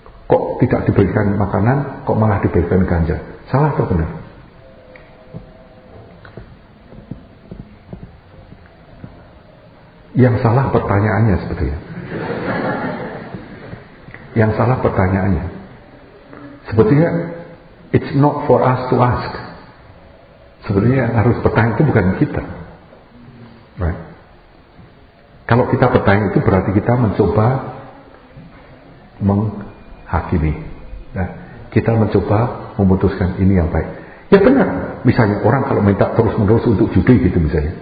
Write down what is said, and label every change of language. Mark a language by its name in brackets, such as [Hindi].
[Indonesian] kok tidak diberikan makanan, kok malah diberikan ganja? Salah atau benar? Yang salah pertanyaannya sepertinya. Yang salah pertanyaannya. Sepertinya [English] it's not for us to ask. [Indonesian] Sebenarnya harus bertanya itu bukan kita. Right? Kalau kita bertanya itu berarti kita mencoba menghakimi. Nah, kita mencoba memutuskan ini yang baik. Ya benar, misalnya orang kalau minta terus-menerus untuk judi gitu misalnya.